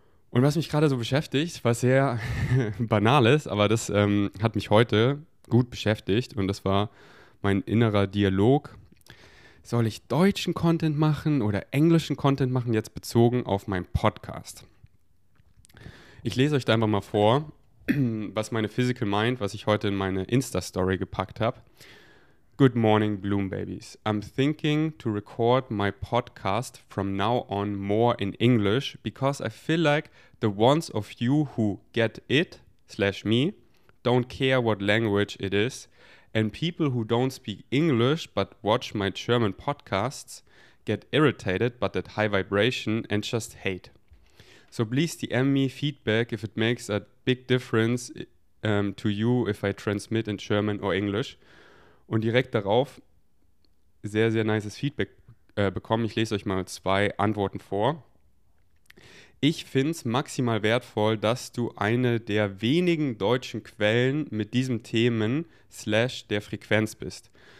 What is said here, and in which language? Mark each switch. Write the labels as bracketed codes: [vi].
[de] Und was mich gerade so beschäftigt, was sehr banal ist, aber das hat mich heute gut beschäftigt und das war mein innerer Dialog. Soll ich deutschen Content machen oder englischen Content machen, jetzt bezogen auf meinen Podcast? Ich lese euch da einfach mal vor, was meine Physical Mind, was ich heute in meine Insta-Story gepackt habe. [en] Good morning, Bloom Babies. I'm thinking to record my podcast from now on more in English, because I feel like the ones of you who get it, slash me, don't care what language it is, and people who don't speak English but watch my German podcasts get irritated but at high vibration and just hate. So please DM me feedback if it makes a big difference to you if I transmit in German or English. [de] Und direkt darauf sehr, sehr nices Feedback bekommen. Ich lese euch mal zwei Antworten vor. Ich finde es maximal wertvoll, dass du eine der wenigen deutschen Quellen mit diesem Themen slash der Frequenz bist.